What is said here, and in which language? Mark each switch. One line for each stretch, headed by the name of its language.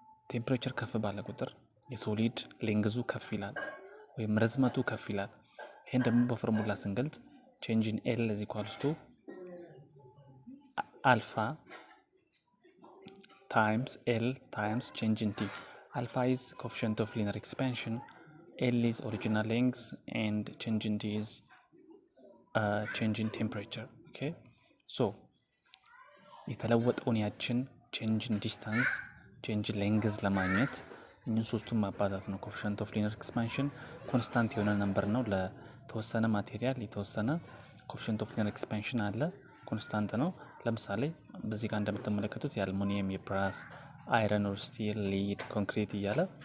Amharic: ቴምፕሬቸር ከፍ ባለ ቁጥር የሶሊድ ሌንግዙ ከፍ ይላል ወይም ርዝመቱ ከፍ ይላል። ይህን ደግሞ በፎርሙላ ስንገልጽ
English: change in L is equal to alpha times L times change in T. Alpha is coefficient of linear expansion, L is original length, and change in T is change in temperature.
Amharic: Okay, so yetelawwetun yachin
English: change in distance change in length
Amharic: lamagnet እኝን ሶስቱን ማባዛት ነው። ኮፊሽንት ኦፍ ሊነር ኤክስፓንሽን ኮንስታንት የሆነ ነምበር ነው። ለተወሰነ ማቴሪያል የተወሰነ ኮፊሽንት ኦፍ ሊነር ኤክስፓንሽን አለ፣ ኮንስታንት ነው። ለምሳሌ በዚህ ጋር እንደምትመለከቱት የአልሙኒየም፣ የብራስ፣ አይረን ኦር ስቲል፣ ሊድ፣ ኮንክሪት እያለ